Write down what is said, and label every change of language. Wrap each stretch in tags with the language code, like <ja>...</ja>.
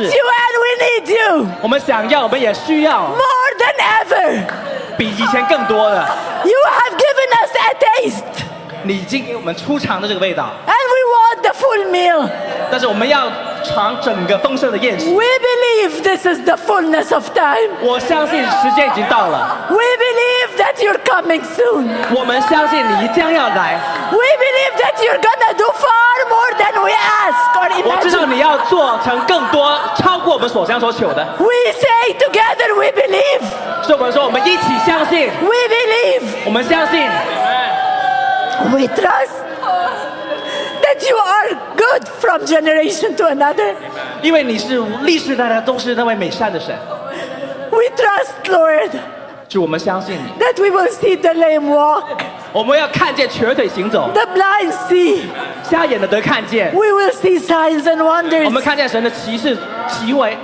<en>We want you and we need you.</en> <zh>我们想要，我们也需要。</zh> <en>More than ever.</en> <zh>比以前更多的。</zh> <en>You have given us a taste.</en> <zh>你已经给我们初尝的这个味道。</zh> <en>And we want the full meal.</en> <zh>但是我们要尝整个丰盛的宴席。</zh> <en>We believe this is the fullness of time.</en> <zh>我相信时间已经到了。</zh> <en>We believe that you're coming soon.</en> <zh>我们相信你将要来。</zh> <en>We believe that you're gonna do far more than we ask or imagine.</en> <zh>我知道你要做成更多，超过我们所想所求的。</zh> <en>We say together we believe.</en> <zh>所以我们说，我们一起相信。</zh> <en>We believe.</en> <zh>我们相信。</zh> <en>We trust that you are good from generation to another.</en> <zh>因为你是历世代代都是那位美善的神。</zh> <en>We trust, Lord.</en> <zh>主，我们相信你。</zh> <en>That we will see the lame walk.</en> <zh>我们要看见瘸腿行走。</zh> <en>The blind see.</en> <zh>瞎眼的得看见。</zh> <en>We will see signs and wonders.</en> <zh>我们看见神的奇事奇为。</zh>